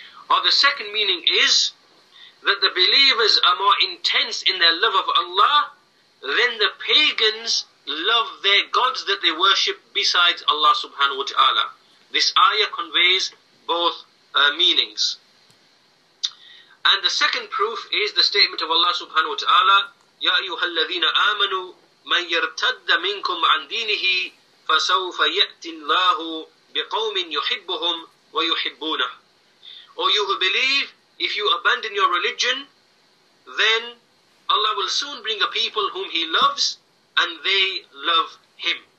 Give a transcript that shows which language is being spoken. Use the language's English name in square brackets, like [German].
[English] Or the second meaning is that the believers are more intense in their love of Allah than the pagans love their gods that they worship besides Allah subhanahu wa ta'ala. This ayah conveys both meanings. And the second proof is the statement of Allah subhanahu wa ta'ala, [Arabic] يَا أَيُّهَا الَّذِينَ آمَنُوا مَنْ يَرْتَدَّ مِنْكُمْ عَنْ دِينِهِ فَسَوْفَ يَأْتِ اللَّهُ بِقَوْمٍ يُحِبُّهُمْ وَيُحِبُّونَهُ. [English] Or you who believe, if you abandon your religion, then Allah will soon bring a people whom He loves, and they love Him.